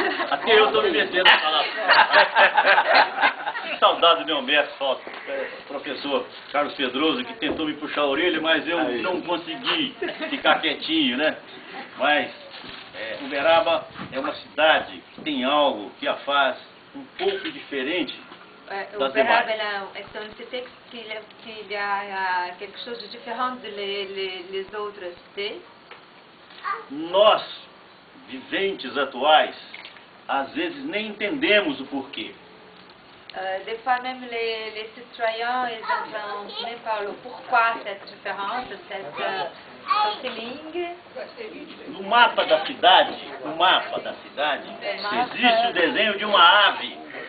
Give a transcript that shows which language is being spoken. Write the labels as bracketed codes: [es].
[pt] Até eu estou me metendo a falar. Que saudade do meu mestre, falta. Professor Carlos Pedroso, que tentou me puxar a orelha, mas eu não consegui ficar quietinho, né? Mas Uberaba é uma cidade que tem algo que a faz um pouco diferente. [fr] Uberaba est une cité qui a quelque chose de différent des autres cités. [pt] Nós, viventes atuais, às vezes nem entendemos o porquê. [fr] Des fois, même les citoyens, ils n'entendent même pas le pourquoi cette différence, cette ligne. [pt] No mapa da cidade, se existe o desenho de uma ave.